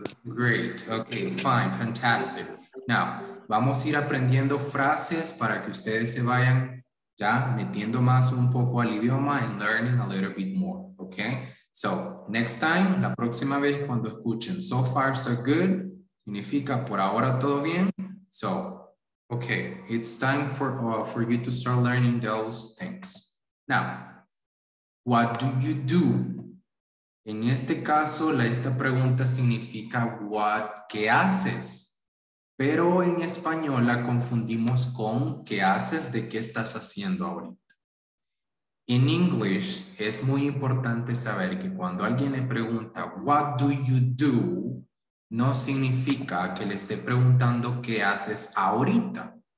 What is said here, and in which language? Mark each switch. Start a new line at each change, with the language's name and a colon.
English: Great, okay, fine, fantastic. Now,
Spanish: vamos a ir aprendiendo frases para que ustedes se vayan ya metiendo más un poco al idioma
English: and learning a little bit more, okay?
Spanish: So, next time, la próxima vez cuando escuchen
English: so far so good,
Spanish: significa por ahora todo bien.
English: So, okay, it's time for you to start learning those things. Now, what do you do?
Spanish: En este caso, esta pregunta significa ¿qué haces? Pero en español la confundimos con ¿qué haces? ¿De qué estás haciendo ahorita? En English es muy importante saber que cuando alguien le pregunta
English: what do you do,
Spanish: no significa que le esté preguntando ¿qué haces ahorita?